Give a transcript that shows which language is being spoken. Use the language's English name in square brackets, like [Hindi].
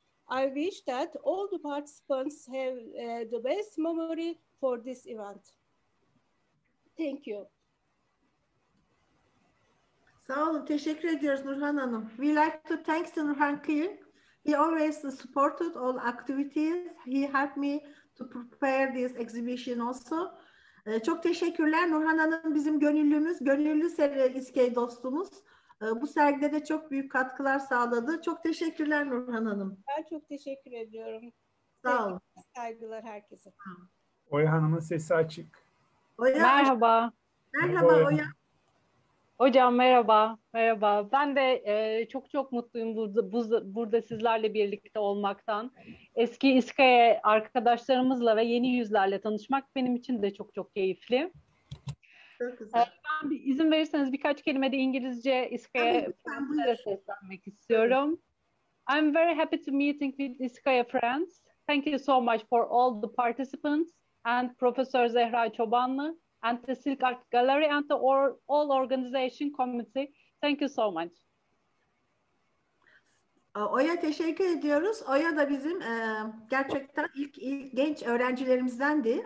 [English] I wish that all the participants have the best memory for this event. Thank you. [Turkish] Sağ olun, teşekkür ediyoruz Nurhan Hanım. [English] We like to thank Nurhan Kıyır. He always supported all activities. He helped me to prepare this exhibition also. [Turkish] Çok teşekkürler Nurhan Hanım, bizim gönüllümüz, gönüllü İSKEY dostumuz. Bu sergide de çok büyük katkılar sağladı. Çok teşekkürler Nurhan Hanım. Ben çok teşekkür ediyorum. Sağ olun. Saygılar herkese. Oya Hanım'ın sesi açık. Oya. Merhaba. Merhaba Oya. Hocam merhaba, merhaba. Ben de çok çok mutluyum burada sizlerle birlikte olmaktan. Eski İSKA'ya arkadaşlarımızla ve yeni yüzlerle tanışmak benim için de çok çok keyifli. Çok güzel. Ben bir izin verirseniz birkaç kelime de İngilizce İSKA'ya seslenmek istiyorum. [English] I'm very happy to meeting with İSKA'ya friends. Thank you so much for all the participants and Professor Zehra Çobanlı. And the Silk Art Gallery and the all organization committee. Thank you so much. [Turkish] Oya teşekkür ediyoruz. Oya da bizim gerçekten ilk genç öğrencilerimizdendi.